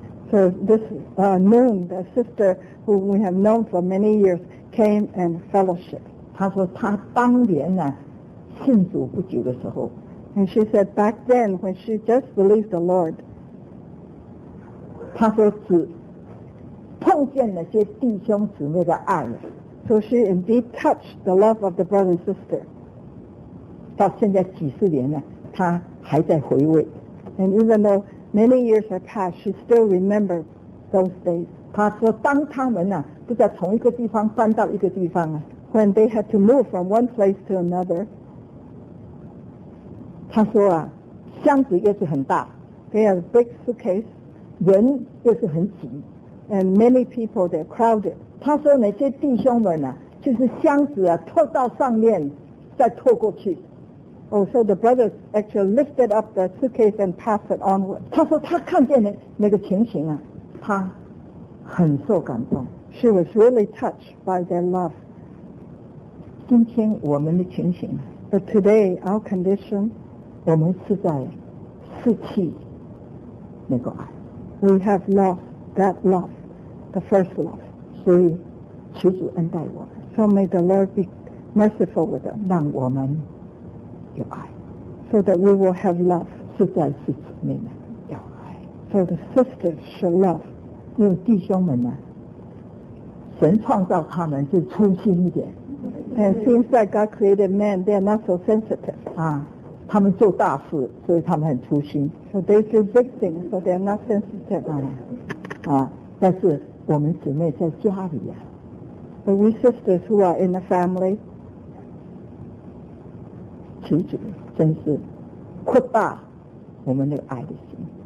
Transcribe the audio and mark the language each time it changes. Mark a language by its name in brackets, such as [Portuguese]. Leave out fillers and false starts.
[English] So this noon, the sister who we have known for many years came and fellowship. [Chinese] 她说她当年呢、啊、信主不久的时候 [English] ，and she said back then when she just believed the Lord. [Chinese] 她说只碰见那些弟兄姊妹的爱。 [English] So she indeed touched the love of the brother and sister. [Chinese] 到现在几十年了，他还在回味。 [English] And even though Many years have passed. She still remembers those days. [Chinese] 她说当他们啊不再从一个地方搬到一个地方啊 [English] When they had to move from one place to another. [Chinese] 她说啊箱子也是很大 [English] They had a big suitcase. [Chinese] 人也是很挤 [English] And many people, they're crowded. [Chinese] 她说那些弟兄们啊就是箱子啊拖到上面再拖过去 [English] Oh, so the brothers actually lifted up the suitcase and passed it onward. [Chinese] 她说她看见那个情形啊她很受感动 [English] She was really touched by their love. [Chinese] 今天我们的情形 [English] But today, our condition [Chinese] 我们是在失去那个爱 [English] We have lost that love, the first love. [Chinese] 所以求主恩待我们 [English] So may the Lord be merciful with us. [Chinese] 让我们有爱 [English] so that we will have love [Chinese] 是在弟兄们有爱 [English] so the sisters should love [Chinese] 因为弟兄们呢神创造他们就粗心一点 [English] and since that God created men they are not so sensitive [Chinese] 啊，他们做大事所以他们很粗心 [English] so they do big things so they are not sensitive [Chinese] 啊，但是我们姊妹在家里啊 [English] but we sisters who are in the family [Chinese] 求主真是扩大我们的爱的心